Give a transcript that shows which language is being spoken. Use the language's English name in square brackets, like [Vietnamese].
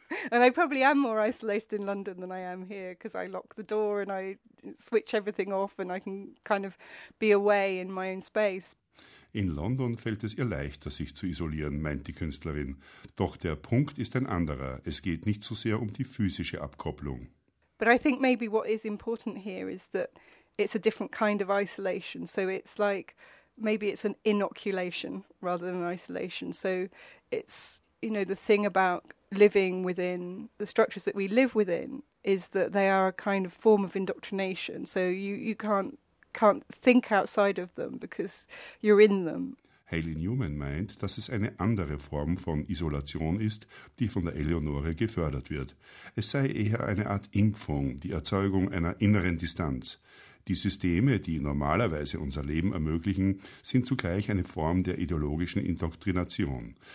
[English] And I probably am more isolated in London than I am here because I lock the door and I switch everything off and I can kind of be away in my own space. [German] In London fällt es ihr leichter, sich zu isolieren, meint die Künstlerin. Doch der Punkt ist ein anderer. Es geht nicht so sehr um die physische Abkopplung. [English] But I think maybe what is important here is that it's a different kind of isolation. So it's like maybe it's an inoculation rather than an isolation. So it's, you know, the thing about living within the structures that we live within is that they are a kind of form of indoctrination. So you can't think outside of them because you're in them. [German] Hayley Newman meint, dass es eine andere Form von Isolation ist, die von der Eleonore gefördert wird. Es sei eher eine Art Impfung, die Erzeugung einer inneren Distanz. Die Systeme, die normalerweise unser Leben ermöglichen, sind zugleich eine Form der ideologischen Indoktrination.